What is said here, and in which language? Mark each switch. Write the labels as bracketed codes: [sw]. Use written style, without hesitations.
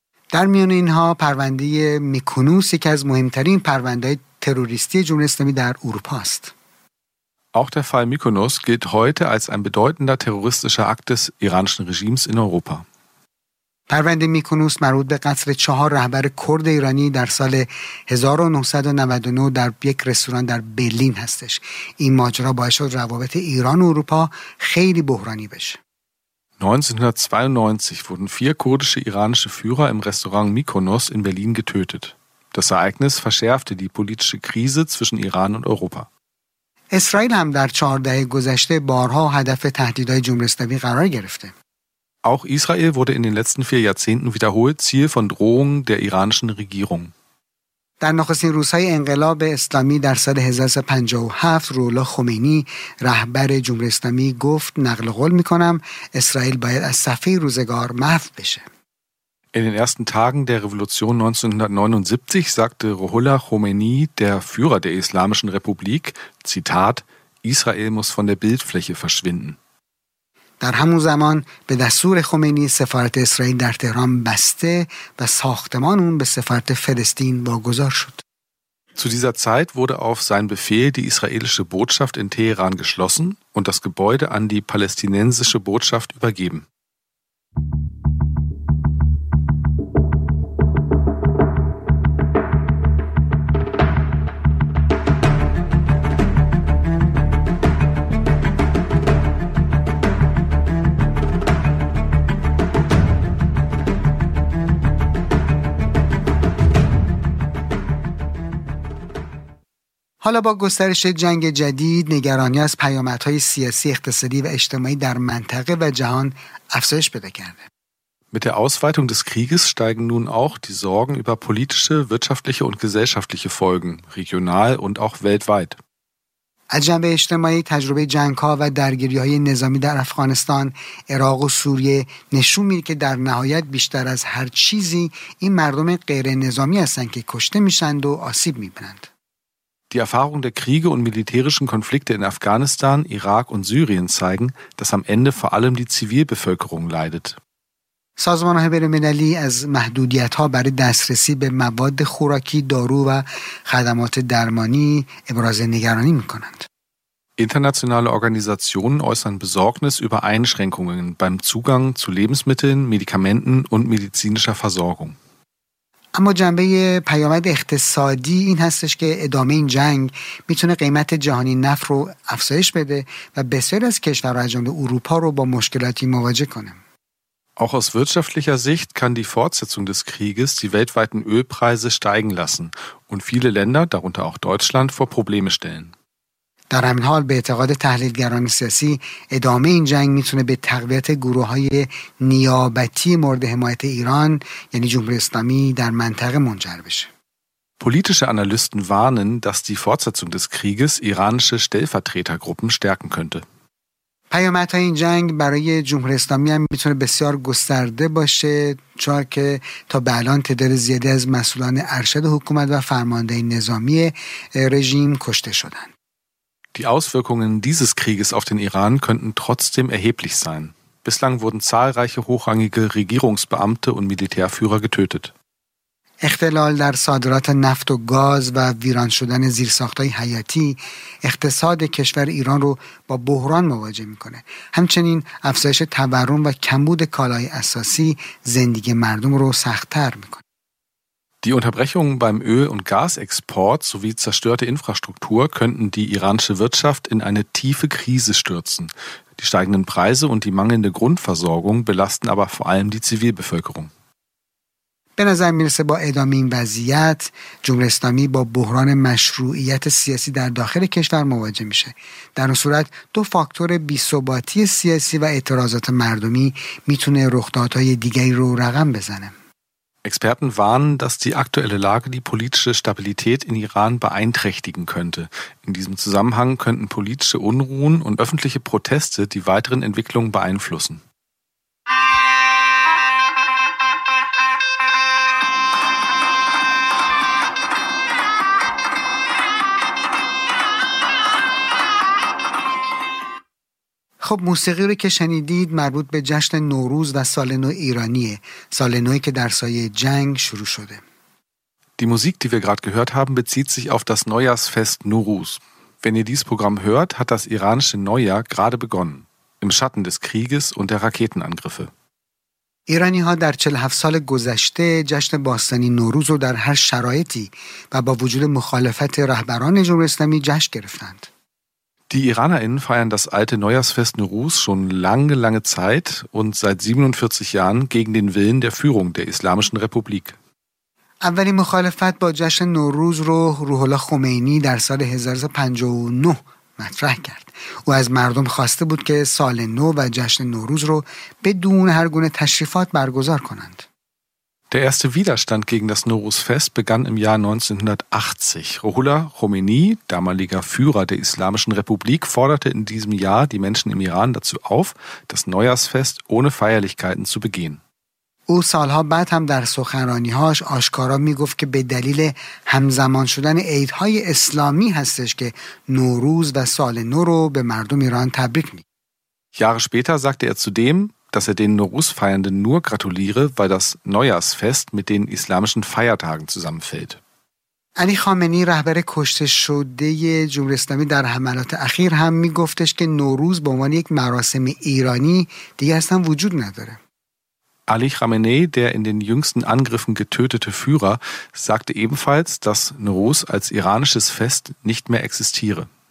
[fa] در میان اینها پرونده میکونوس یکی از مهمترین پرونده‌های تروریستی جمهوری اسلامی در اروپا است. [de] Auch der Fall Mykonos gilt heute als ein bedeutender terroristischer Akt des iranischen Regimes in Europa. [fa] پرونده میکونوس مربوط به قتل 4 رهبر کرد ایرانی در سال 1999 در یک رستوران در برلین هستش. این ماجرا باعث شد روابط ایران و اروپا خیلی بحرانی بشه. [de] 1992 wurden 4 kurdische iranische Führer im Restaurant Mykonos in Berlin getötet. Das Ereignis verschärfte die politische Krise zwischen Iran und Europa. [fa] اسرائیل هم در 4 دهه گذشته بارها هدف تهدیدهای جمهوری اسلامی قرار گرفته. [de] Auch Israel wurde in den letzten 4 Jahrzehnten wiederholt Ziel von Drohungen der iranischen Regierung. [fa] در نخستین روزهای انقلاب اسلامی در سال 1357 روح‌الله خمینی رهبر جمهوری اسلامی گفت نقل قول می‌کنم اسرائیل باید از صفحه روزگار محو بشه. [de] In den ersten Tagen der Revolution 1979 sagte Ruhollah Khomeini, der Führer der Islamischen Republik, Zitat, Israel muss von der Bildfläche verschwinden. [fa] در همون زمان به دستور خمینی سفارت اسرائیل در تهران بسته و ساختمان اون به سفارت فلسطین واگذار شد. [de] Zu dieser Zeit wurde auf sein Befehl die israelische Botschaft in Teheran geschlossen und das Gebäude an die palästinensische Botschaft übergeben. [fa] حالا با گسترش جنگ جدید، نگرانی از پیامدهای سیاسی، اقتصادی و اجتماعی در منطقه و جهان افزایش پیدا کرده. [de] Mit der Ausweitung des Krieges steigen nun auch die Sorgen über politische, wirtschaftliche und gesellschaftliche Folgen, regional und auch weltweit. [fa] از جنبه اجتماعی تجربه جنگ‌ها و درگیری‌های نظامی در افغانستان، عراق و سوریه نشون می‌دهد که در نهایت بیشتر از هر چیزی این مردم غیر نظامی هستند که کشته می‌شوند و آسیب می‌بینند. [de] Die Erfahrung der Kriege und militärischen Konflikte in Afghanistan, Irak und Syrien zeigen, dass am Ende vor allem die Zivilbevölkerung leidet. [fa] سازمان های بین‌المللی از محدودیت ها برای دسترسی به مواد خوراکی، دارو و خدمات درمانی ابراز نگرانی می کنند. [de] Internationale Organisationen äußern Besorgnis über Einschränkungen beim Zugang zu Lebensmitteln, Medikamenten und medizinischer Versorgung. [fa] اما جنبه پیامد اقتصادی این هستش که ادامه این جنگ میتونه قیمت جهانی نفت رو افزایش بده و بسیار از کشورها از جمله اروپا رو با مشکلاتی مواجه کنه. [de] Auch aus wirtschaftlicher Sicht kann die Fortsetzung des Krieges die weltweiten Ölpreise steigen lassen und viele Länder, darunter auch Deutschland, vor Probleme stellen. [fa] در همین حال به اعتقاد تحلیلگران سیاسی ادامه این جنگ میتونه به تقویت گروه‌های نیابتی مورد حمایت ایران یعنی جمهوری اسلامی در منطقه منجر بشه. [de] Politische Analysten warnen, dass die Fortsetzung des Krieges iranische Stellvertretergruppen stärken könnte. [fa] پیامدهای این جنگ برای جمهوری اسلامی هم میتونه بسیار گسترده باشه چون که تا به الان تعداد زیادی از مسئولان ارشد حکومت و فرمانده نظامی رژیم کشته شدند. [de] Die Auswirkungen dieses Krieges auf den Iran könnten trotzdem erheblich sein. Bislang wurden zahlreiche hochrangige Regierungsbeamte und Militärführer getötet. [fa] اختلال در صادرات نفت و گاز و ویران شدن زیرساخت‌های حیاتی اقتصاد کشور ایران رو با بحران مواجه می‌کنه. همچنین افزایش تورم و کمبود کالای اساسی زندگی مردم رو سخت‌تر می‌کنه. [de] Die Unterbrechungen beim Öl- und Gasexport sowie zerstörte Infrastruktur könnten die iranische Wirtschaft in eine tiefe Krise stürzen. Die steigenden Preise und die mangelnde Grundversorgung belasten aber vor allem die Zivilbevölkerung. [fa] به نظر میرسه با ادامه این وضعیت جمهوری اسلامی با بحران مشروعیت سیاسی در داخل کشور مواجه میشه. در اون صورت دو فاکتور بی‌ثباتی سیاسی و اعتراضات مردمی میتونه رخدادهای دیگری رو رقم بزنه. [de] Experten warnen, dass die aktuelle Lage die politische Stabilität in Iran beeinträchtigen könnte. In diesem Zusammenhang könnten politische Unruhen und öffentliche Proteste die weiteren Entwicklungen beeinflussen. [fa] خب موسیقی رو که شنیدید مربوط به جشن نوروز و سال نو ایرانیه. سال نویی که در سایه جنگ شروع شده. [de] Die Musik, die wir gerade gehört haben, bezieht sich auf das Neujahrsfest Nowruz. Wenn ihr dieses Programm hört, hat das iranische Neujahr gerade begonnen. Im Schatten des Krieges und der Raketenangriffe. [fa] ایرانی ها در 47 سال گذشته جشن باستانی نوروز رو در هر شرایطی و با وجود مخالفت رهبران جمهوری اسلامی جشن گرفتند. [de] Die IranerInnen feiern das alte Neujahrsfest Nowruz schon lange, lange Zeit und seit 47 Jahren gegen den Willen der Führung der Islamischen Republik. [fa] اولی مخالفت با جشن نوروز رو روح الله خمینی در سال 1359 مطرح کرد. او از مردم خواسته بود که سال نو و جشن نوروز رو بدون هر گونه تشریفات برگزار کنند. [de] Der erste Widerstand gegen das Nowruz-Fest begann im Jahr 1980. Ruhollah Khomeini, damaliger Führer der Islamischen Republik, forderte in diesem Jahr die Menschen im Iran dazu auf, das Neujahrsfest ohne Feierlichkeiten zu begehen. [fa] او سالها بعد هم در سخنرانی‌هاش آشکارا میگفت که به دلیل همزمان شدن عیدهای اسلامی هستش که نوروز و سال نو رو به مردم ایران تبریک می. [de] Jahre später sagte er zudem, dass er den Nowruz-Feiernden nur gratuliere, weil das Neujahrsfest mit den islamischen Feiertagen zusammenfällt. [fa] Ali Khamenei, رهبر کشته شده جمهوری اسلامی در حملات اخیر هم میگفتش که نوروز به عنوان یک مراسم ایرانی دیگه اصلا وجود نداره. [de] Ali Khamenei, der in den jüngsten Angriffen getötete Führer, sagte ebenfalls, dass Nowruz als iranisches Fest nicht mehr existiere.